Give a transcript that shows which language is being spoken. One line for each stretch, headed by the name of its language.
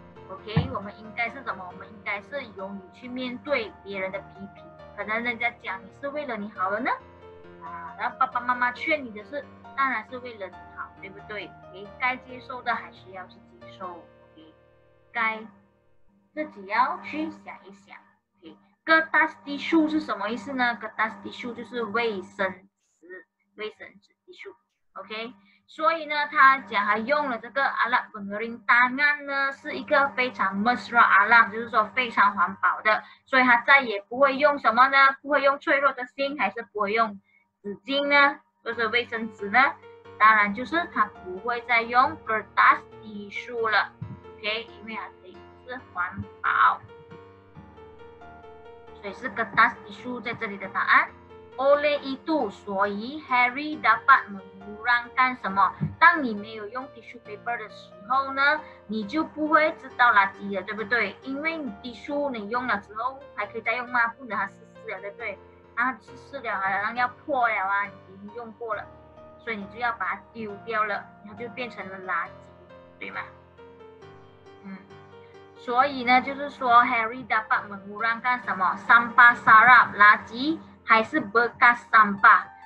Chinese: OK， 我们应该是什么？我们应该是勇于去面对别人的批评，可能人家讲你是为了你好了呢，啊，然后爸爸妈妈劝你的是。当然是为了你好，对不对？你该接受的还是要去接受，你该自己要去想一想。 Kertas tisu 是什么意思呢？ Kertas tisu 就是卫生纸 tisu。 OK， 所以呢，他讲他用了这个 alat pengering tangan 呢，是一个非常 mesra alam， 就是说非常环保的，所以他再也不会用什么呢？不会用脆弱的心，还是不会用纸巾呢？就是卫生纸呢，当然就是他不会再用 kertas tisu 了 ，OK， 因为它可以是环保，所以是 kertas tisu 在这里的答案。
Malay: Oleh itu， 所以 Harry dapat mengurangkan 什么？
Chinese: 当你没有用 tissue paper 的时候呢，你就不会制造垃圾了，对不对？因为 tissue 你用了之后还可以再用吗？不能，它湿湿了，对不对？它湿湿了，好像要破了啊。用过了，所以你就要把它丢掉了，它就变成了垃圾，对吗？嗯，所以呢，就是说
Malay: Harry dapat mengurangkan
Chinese: 什么 sampah sarap 垃圾，还是 bekas sampah。